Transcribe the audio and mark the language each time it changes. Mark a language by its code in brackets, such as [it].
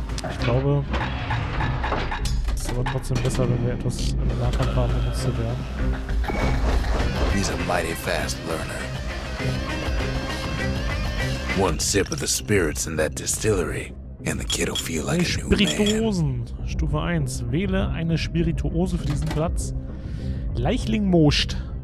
[de] Ich glaube, es ist aber trotzdem besser, wenn wir etwas im Nahkampf haben, um uns zu wehren. [en] He's a mighty fast learner. One sip of the spirits in that distillery. And the kid will feel like a new [de] Spirituosen. [en] Man. [de] Stufe 1. Wähle eine Spirituose für diesen Platz. Leichling Moscht.